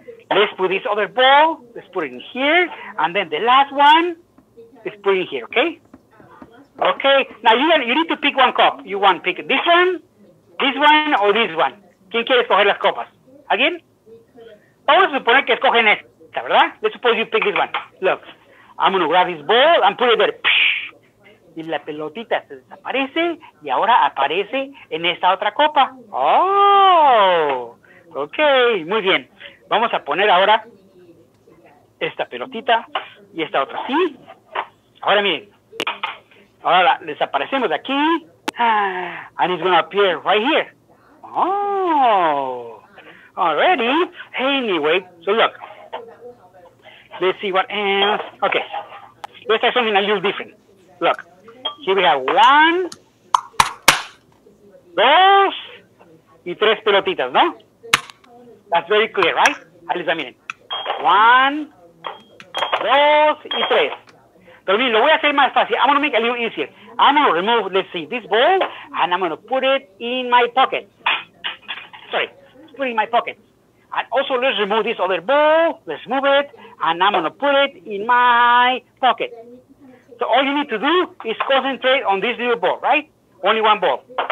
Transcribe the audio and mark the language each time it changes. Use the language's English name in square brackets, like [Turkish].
[English] Let's put this other ball, let's put it in here, and then the last one, let's put it in here, okay? Okay, now you need to pick one cup. You want to pick this one, or this one. [Spanish] ¿Quién quiere escoger las copas? ¿Alguien? Vamos a suponer que escogen esta, ¿verdad? [English] Let's suppose you pick this one. Look, I'm going to grab this ball and put it there. Psh! [Spanish] Y la pelotita se desaparece, y ahora aparece en esta otra copa. Oh, okay, muy bien. Vamos a poner ahora esta pelotita y esta otra. ¿Sí? Ahora miren. Ahora desaparecemos de aquí. [English] And it's going to appear right here. Oh. Already. Anyway. So look. Let's see what else. Okay. Let's try something a little different. Look. Here we have one, [Spanish] dos, y tres pelotitas, ¿no? [English] That's very clear, right? [Spanish] Ahí les va, miren. One, dos, y tres. Pero miren, lo voy a hacer más fácil. [English] I'm going to make it a little easier. I'm going to remove, let's see, this ball, and I'm going to put it in my pocket. Sorry, put it in my pocket. And also, let's remove this other ball. Let's move it, and I'm going to put it in my pocket. So all you need to do is concentrate on this little ball, right? Only one ball.